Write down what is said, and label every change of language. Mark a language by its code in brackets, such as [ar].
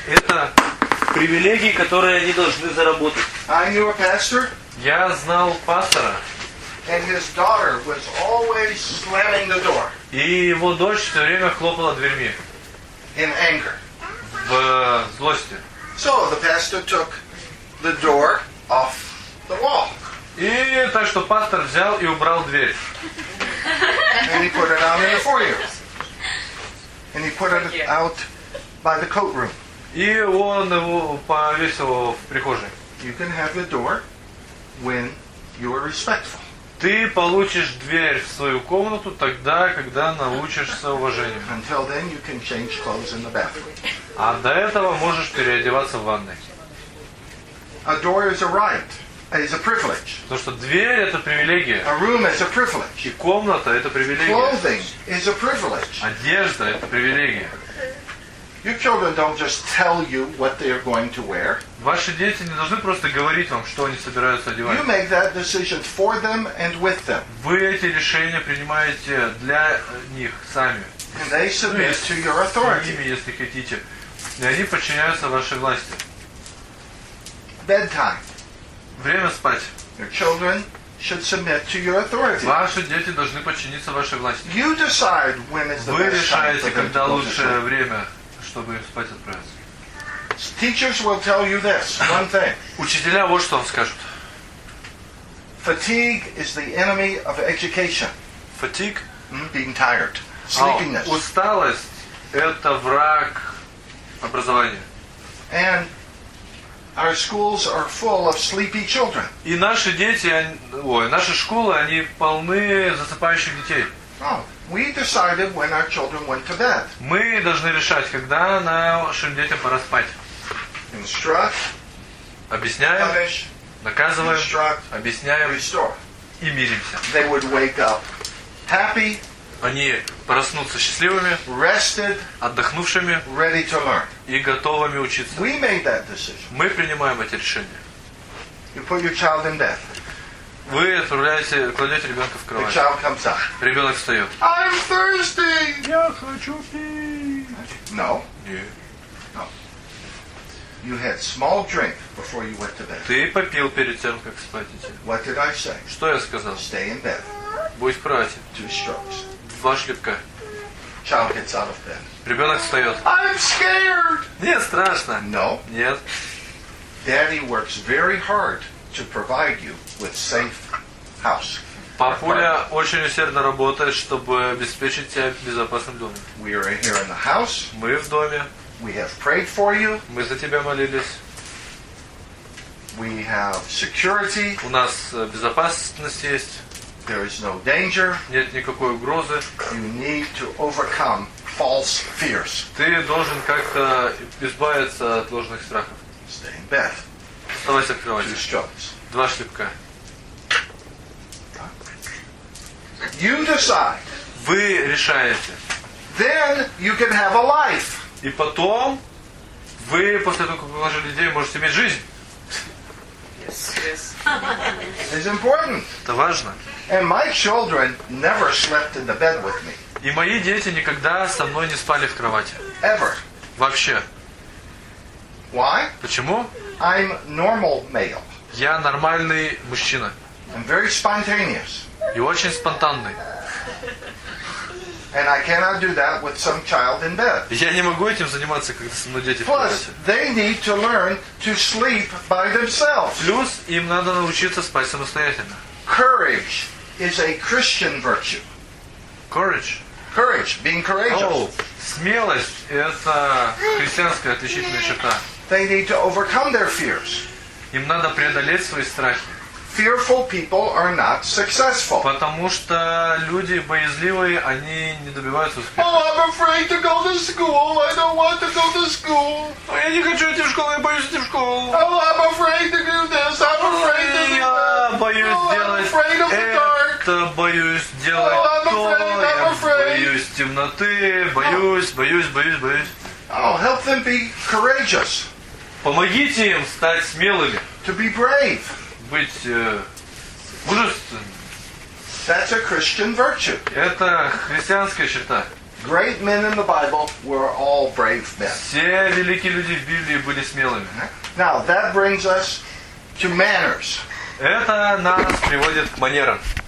[ru] Это привилегии, которые они должны заработать. [en] I knew a pastor, [ru] я знал пастора. [en] And his daughter was always slamming the door. [ru] И его дочь все время хлопала дверьми. [en] In anger. [ru] В злости. [en] So the pastor took the door off the wall. [ru] И так что пастор взял и убрал дверь. [en] And he put it out in the foyer. And he put it out by the coat room. [ru] И он его повесил в прихожей. [en] You can have the door when you are respectful. [ru] Ты получишь дверь в свою комнату тогда, когда научишься уважению. [en] Until then you can change clothes in the bathroom. [ru] А до этого можешь переодеваться в ванной. [en] A door is a right. It's a privilege. [ru] То что дверь это привилегия. [en] A room is a privilege. [ru] И комната это привилегия. [en] Clothing is a privilege. [ru] Одежда это привилегия. [en] Your children don't just tell you what they are going to wear. [ru] Ваши дети не должны просто говорить вам, что они собираются одевать. [en] You make that decision for them and with them. [ru] Вы эти решения принимаете для них сами. [en] And they submit to your authority. [ru] Ими, если хотите. И они подчиняются вашей власти. [en] Bedtime. [ru] Время спать. [en] Your children should submit to your authority. [ru] Ваши дети должны подчиниться вашей власти. [en] You decide when is the best time for them to go to sleep. [ru] Вы решаете, когда лучшее время, чтобы спать отправиться. [en] Teachers will tell you this, one thing. [ru] Учителя вот что вам скажут. [en] Fatigue is the enemy of education. Fatigue? Being tired. Sleepiness. [ru] Усталость это враг образования. [en] And our schools are full of sleepy children. [ru] И наши дети, наши школы, они полны засыпающих детей. [en] Oh, we decided when our children went to bed. [ru] Мы должны решать, когда нашим детям пора спать. [en] Instruct. [ru] Объясняем. [en] Punish, [ru] наказываем. [en] Instruct, [ru] объясняем. [en] Restore. [ru] И миримся. [en] They would wake up happy. [ru] Они проснутся счастливыми, [en] rested, [ru] отдохнувшими, [en] ready to learn. [ru] И готовыми учиться. [en] We made that decision. [ru] Мы принимаем эти решения. [en] You put your child in bed. [ru] Вы отправляете, кладете ребенка в кровать. [en] The child comes up. [ru] Ребенок встает. [en] I'm thirsty. [ru] Я хочу пить. [en] No. Yeah. No. You had small drink before you went to bed. [ru] Ты попил перед тем, как спать идти. [en] What did I say? [ru] Что я сказал? [en] Stay in bed. [ru] Будь в кровати. [en] Two strokes. [ru] Два шлепка. [en] Child gets out of bed. [ru] Ребенок встает. [en] I'm scared. [ru] Нет, страшно. [en] No. [ru] Нет. [en] Daddy works very hard to provide you with safe house. [ru] Папуля очень усердно работает, чтобы обеспечить тебя безопасным домом. [en] We are here in the house. [ru] Мы в доме. [en] We have prayed for you. [ru] Мы за тебя молились. [en] We have security. [ru] У нас безопасность есть. [en] There is no danger. [ru] Нет никакой угрозы. [en] You need to overcome false fears. [ru] Ты должен как-то избавиться от ложных страхов. [en] Stay in bed. [ru] Оставайся в кровати. Два шлепка. [en] You decide. [ru] Вы решаете. [en] Then you can have a life. [ru] И потом вы после того, как уложили людей, можете иметь жизнь. [en] Yes, yes. It's important. [ru] Это важно. [en] And my children never slept in the bed with me. [ru] И мои дети никогда со мной не спали в кровати. [en] Ever. [ru] Вообще. [en] Why? [ru] Почему? [en] I'm normal male. [ru] Я нормальный мужчина. [en] I'm very spontaneous. [ru] И очень спонтанный. [en] And I cannot do that with some child in bed. [ru] Я не могу этим заниматься, когда со мной дети. [en] Plus, they need to learn to sleep by themselves. [ru] Плюс им надо научиться спать самостоятельно. [en] Courage is a Christian virtue. Courage. Courage, being courageous. [ru] Oh, смелость это христианская отличительная черта. [en] They need to overcome their fears. [ru] Им надо преодолеть свои страхи. [en] Fearful people are not successful. [ru] Потому что люди боязливые, они не добиваются успеха. [en] Oh, I'm afraid to go to school. I don't want to go to school. [ru] Я не хочу идти в школу, я боюсь идти в школу. [en] Oh, I'm afraid to do this. I'm afraid to do that. [ru] Боюсь делать. [en] I'm afraid of the dark. [ru] Это боюсь делать. [en] Oh, I'm afraid. I'm afraid. [ru] Боюсь темноты. Боюсь. [en] Oh, help them be courageous. [ru] Помогите им стать смелыми. [en] To be brave. [ru] Быть мужественным. [en] That's a Christian virtue. [ru] Это христианская черта. [en] Great men in the Bible were all brave men. [ru] Все великие люди в Библии были смелыми. [en] Now that brings us to manners. [ru] Это нас приводит к манерам.